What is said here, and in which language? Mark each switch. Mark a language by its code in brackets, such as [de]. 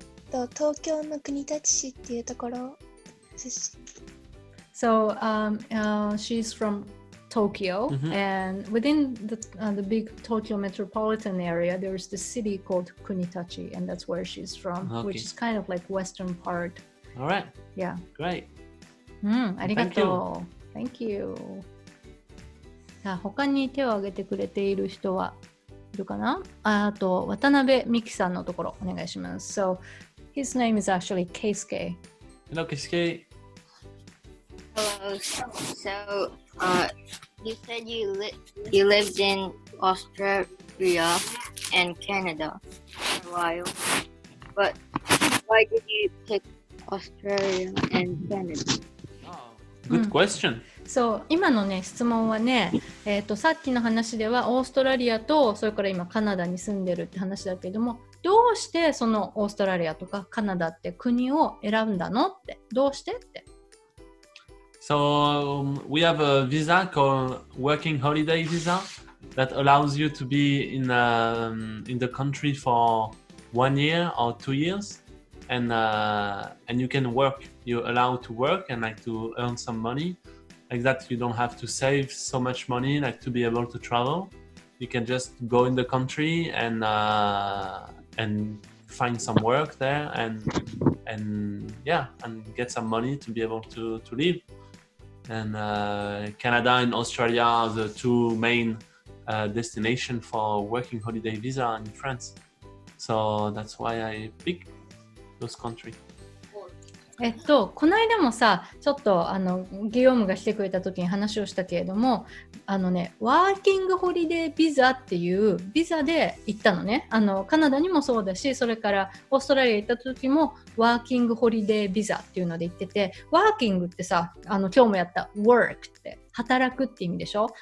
[ja] 東京の国立市っていうところ出身。 [en] So, she's from... Tokyo、mm-hmm. and within the big Tokyo metropolitan area there's this city called Kunitachi and that's where she's from、okay. which is kind of like western part. All right. Yeah. Great. Arigato. Thank you. [ja] さあ、他に手を挙げてくれている人はいるかな？あと渡辺美希さんのところお願いします。 [en] So his name is actually Keisuke. Hello Keisuke. Hello. So you said you lived in Australia and Canada for a while, but why did you pick Australia and Canada? Good question.、 [ja] うん、そう、今のね、質問はね、さっきの話ではオーストラリアとそれから今カナダに住んでるって話だけども、どうしてそのオーストラリアとかカナダって国を選んだのって、どうしてって。 [en] So, we have a visa called Working Holiday Visa that allows you to be in the country for 1 year or 2 years and you can work. You're allowed to work and like to earn some money. Like that, you don't have to save so much money like to be able to travel. You can just go in the country and find some work there and yeah, and get some money to be able to live. And Canada and Australia are the two main destination for working holiday visa in France. So that's why I pick those countries. [ja] この間もさ、ちょっとあのギヨームが来てくれた時に話をしたけれども、あのね、ワーキングホリデービザっていうビザで行ったのね。あのカナダにもそうだし、それからオーストラリア行った時もワーキングホリデービザっていうので行ってて、ワーキングってさ、あの今日もやった work って働くって意味でしょ。